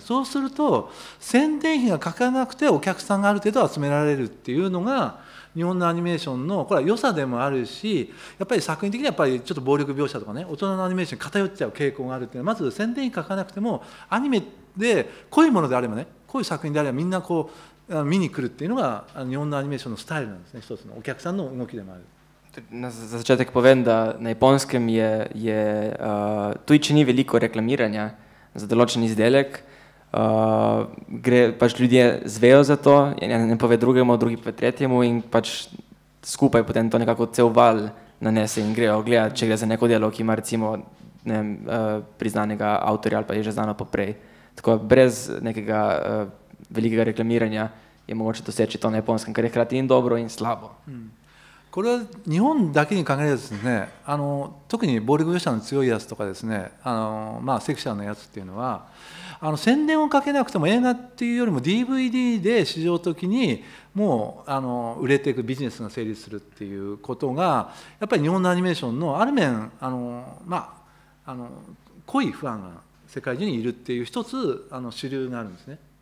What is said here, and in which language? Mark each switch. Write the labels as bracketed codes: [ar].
[ja] そうすると宣伝費がかからなくてお客さんがある程度集められるっていうのが日本のアニメーションのこれは良さでもあるし、やっぱり作品的にはやっぱりちょっと暴力描写とかね、大人のアニメーションに偏っちゃう傾向があるっていうのは、まず宣伝に書かなくてもアニメで濃いものであればね、濃い作品であればみんなこう見に来るっていうのが日本のアニメーションのスタイルなんですね。一つのお客さんの動きでもある。 [sl] Na začetek povem, da na Japonskem je, je tudi če ni veliko reklamiranja za določen izdelek, gre, pač ljudje zvejo za to, ne pove drugemu, drugi pove tretjemu in pač skupaj potem to nekako cel val nanese in grejo gledati, če gre za neko delo, ki ima recimo ne, priznanega avtorja ali pa je že znano poprej. Tako brez nekega velikega reklamiranja je mogoče doseči to na Japonskem, kar je hkrati in dobro in slabo. Hmm. [ja] これは日本だけに限らずですね、特に暴力描写の強いやつとかですね、まあ、セクシャルなやつっていうのは宣伝をかけなくても映画っていうよりも DVD で市場的にもう売れていくビジネスが成立するっていうことがやっぱり日本のアニメーションのある面まあ、濃い不安が世界中にいるっていう一つ主流があるんですね。